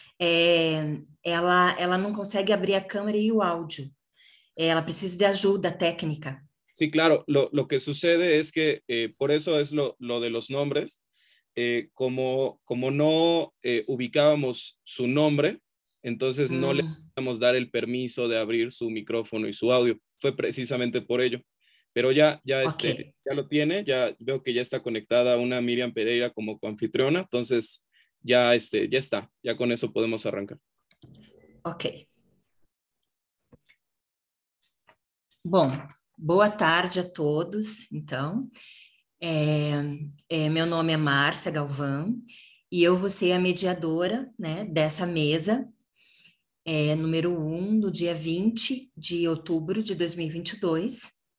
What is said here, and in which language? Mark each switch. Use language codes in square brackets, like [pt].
[pt] Ela não consegue abrir a câmera e o áudio. Ela precisa de ajuda técnica. [es] Sí, claro, lo que sucede es que por eso es lo de los nombres. Como no ubicábamos su nombre, entonces no le podíamos dar el permiso de abrir su micrófono y su audio. Fue precisamente por ello. Pero Okay. ya lo tiene, ya veo que ya está conectada una Miriam Pereira como coanfitriona, entonces ya está, ya con eso podemos arrancar. Okay. [pt] Bom, boa tarde a todos, então. Meu nome é Márcia Galvão e eu vou ser a mediadora, né, dessa mesa. Número 1, do dia 20 de outubro de 2022.